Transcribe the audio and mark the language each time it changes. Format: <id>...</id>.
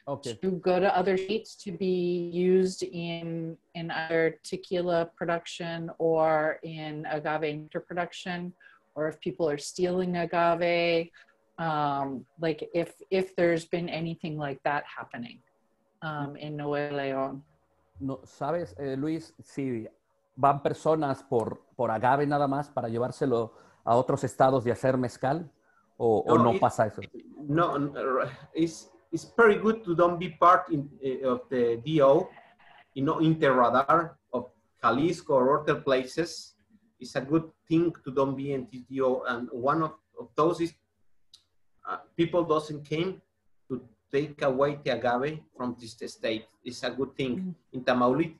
<en>to go to other states to be used in either tequila production or in agave nectar production, or if people are stealing agave, like if there's been anything like that happening in Nuevo León.</en> <es>No, sabes, Luis, si van personas por agave nada más para llevárselo a otros estados y hacer mezcal, o no pasa eso?</es> <en>No, it's very good to don't be part of the DO, you know, in the radar of Jalisco or other places. It's a good thing to don't be in the DO. And one of those is people doesn't came to take away the agave from this state. It's a good thing. Mm-hmm.</en>